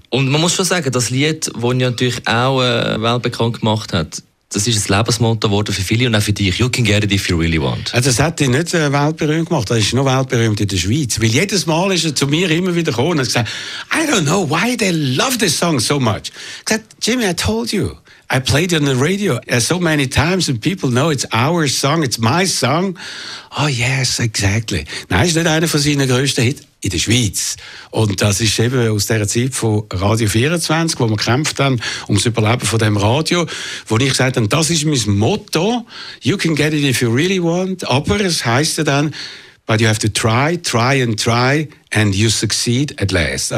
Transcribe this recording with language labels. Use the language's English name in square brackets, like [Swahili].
[German] Und man muss schon sagen, das Lied, das ihn natürlich auch weltbekannt gemacht hat, das ist ein Lebensmotto geworden für viele und auch für dich. [English] You can get it if you really want. [German] Also das hat ihn nicht weltberühmt gemacht. Das ist nur weltberühmt in der Schweiz. Weil jedes Mal ist er zu mir immer wieder gekommen und hat gesagt, [English] I don't know why they love this song so much. [German] Ich sagte, [English] Jimmy, I told you. I played it on the radio so many times and people know it's our song, it's my song. Oh yes, exactly. [German] Nein, ist nicht einer von seinen grössten Hits in der Schweiz. Und das ist eben aus der Zeit von Radio 24, wo wir kämpft haben ums Überleben von dem Radio, wo ich gesagt habe, das ist mein Motto, [English] you can get it if you really want, [German] aber es heisst ja dann, [English] but you have to try, try and try, and you succeed at last.